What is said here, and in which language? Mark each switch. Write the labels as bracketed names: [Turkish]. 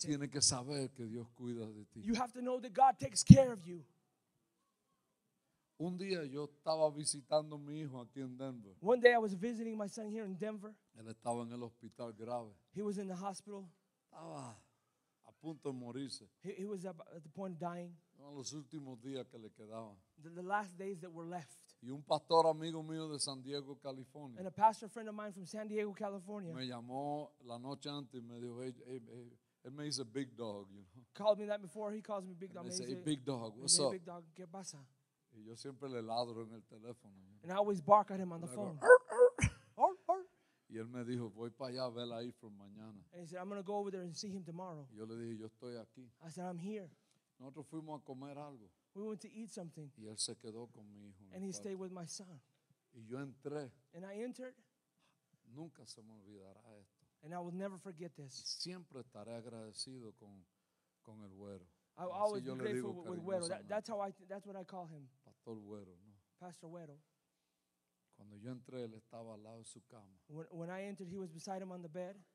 [Spanish] Tú tienes que saber que Dios cuida de ti. [English] You have to know that God takes care of you. [Spanish] Un día yo estaba visitando a mi hijo aquí en Denver. [English] One day I was visiting my son here in Denver. [Spanish] Él estaba en el hospital grave. [English] He was in the hospital. [Spanish] Estaba a punto de morirse. [English] He was at the point of dying. [Spanish] Los últimos días que le quedaban. [English] The last days that were left. [Spanish] Y un pastor amigo mío de San Diego, California. [English] And a pastor friend of mine from San Diego, California. [Spanish] Me llamó la noche antes y me dijo, hey, hey, hey. [English] It means a big dog, you know. Called me that before. He calls me big dog. He said, hey, big dog, what's up? [Spanish] Big dog, ¿qué pasa? Y yo siempre le ladro en el teléfono. [English] And I always bark at him on the phone. [Spanish] Y él me dijo, voy para allá a ver ahí por mañana. [English] And he said, I'm going to go over there and see him tomorrow. [Spanish] Yo le dije, yo estoy aquí. [English] I said, I'm here. [Spanish] Nosotros fuimos a comer algo. [English] We went to eat something. [Spanish] Y él se quedó con mi hijo. [English] And he stayed with my son. [Spanish] Y yo entré. [English] And I entered. [Spanish] Nunca se me olvidará esto. [English] And I will never forget this. [Spanish] Siempre estaré agradecido con el güero. [English] I will always be grateful with güero. That's what I call him. [Spanish] Pastor güero, ¿no? [English] Pastor güero. [Spanish] Cuando yo entré, él estaba al lado de su cama. [English] When I entered, he was beside him on the bed.